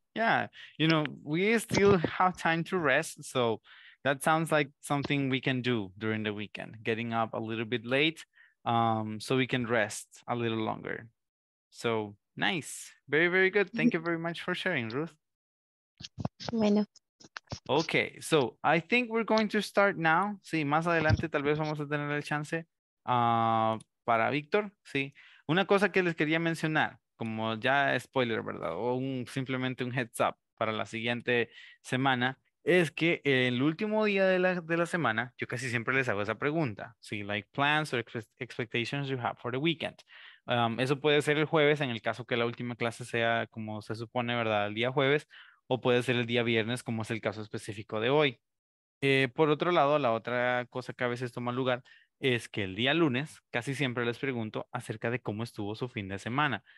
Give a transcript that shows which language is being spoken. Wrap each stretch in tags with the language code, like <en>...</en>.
<en>Yeah, you know, we still have time to rest, so that sounds like something we can do during the weekend, getting up a little bit late so we can rest a little longer. So nice. Very, very good. Thank you very much for sharing, Ruth.</en> <es>Bueno.</es> <en>Okay, so I think we're going to start now.</en> <es>Sí, más adelante tal vez vamos a tener el chance para Víctor. Sí, una cosa que les quería mencionar, como ya spoiler, ¿verdad? O simplemente un heads up para la siguiente semana, es que el último día de la semana, yo casi siempre les hago esa pregunta.</es> <en>Sí, like plans or expectations you have for the weekend.</en> <es>Eso puede ser el jueves, en el caso que la última clase sea, como se supone, ¿verdad? El día jueves. O puede ser el día viernes, como es el caso específico de hoy. Por otro lado, la otra cosa que a veces toma lugar es que el día lunes casi siempre les pregunto acerca de cómo estuvo su fin de semana.</es>